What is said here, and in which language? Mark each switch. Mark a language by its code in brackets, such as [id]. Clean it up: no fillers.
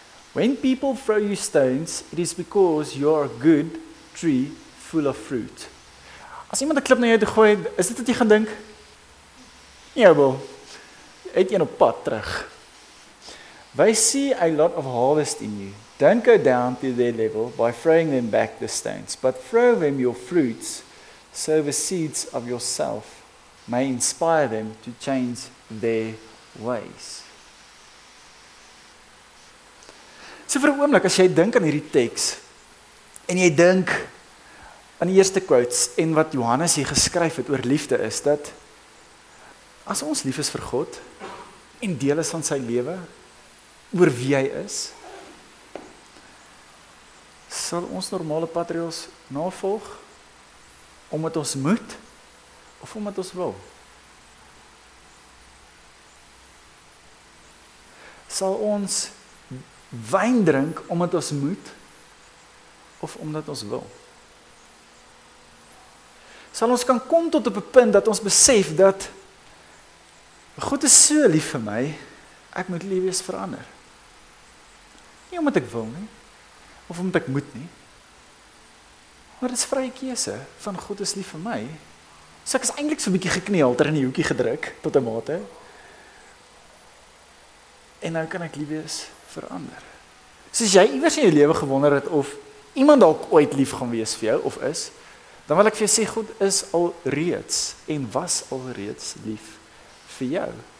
[en] When people throw you stones, it is because you are a good tree full of fruit. [af] As iemand 'n klip na jou toe gooi, is dit wat jy gaan dink? Nee, Abel. Eet jy op pad terug. [en] We see a lot of harvest in you. Don't go down to their level by throwing them back the stones, but throw them your fruits so the seeds of yourself may inspire them to change their ways. [af] So vir 'n oomblik, as jy dink aan hierdie teks, en jy dink aan die eerste quotes, en wat Johannes hier geskryf het oor liefde is, dat as ons lief is vir God, en deel is van sy lewe, oor wie hy is, sal ons normale patriots navolg, omdat ons moet, of omdat ons wil. Sal ons wijn drink, omdat ons moet, of omdat ons wil. Sal ons kan kom tot op 'n punt, dat ons besef dat, God is so lief vir my, ek moet lief wees vir ander. Nie omdat ek wil nie, of omdat ek moet nie. Maar dit is vrye keuse van God is lief vir my. So ek is eintlik so 'n bietjie gekneel ter in die hoekie gedruk, tot 'n mate. En nou kan ek lief wees vir ander. So as jy iewers in jou lewe gewonder het of iemand dalk ooit lief gaan wees vir jou of is, dan wil ek vir jou sê, God is al reeds en was al reeds lief vir jou.